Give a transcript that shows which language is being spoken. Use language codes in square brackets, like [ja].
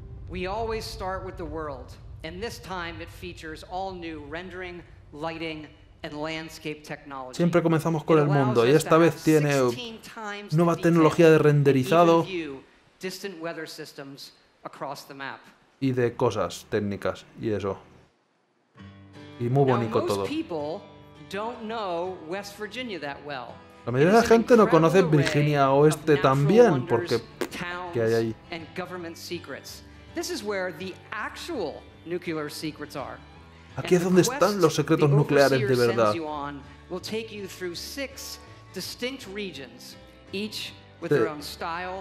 [en] We always start with the world, and this time it features all new rendering, lighting, and landscape technology. [es] Siempre comenzamos con el mundo, y esta vez tiene nueva tecnología de renderizado [en] distant weather systems across the map. [es] Y de cosas técnicas y eso. Y muy bonito todo. [en] Most people don't know West Virginia that well. [es] La mayoría de la gente no conoce Virginia Oeste tan bien porque qué hay ahí. [en] And government secrets. This is where the actual nuclear secrets are. [es] Aquí es donde están los secretos nucleares de verdad. [en] We'll take you through six distinct regions, each with their own style.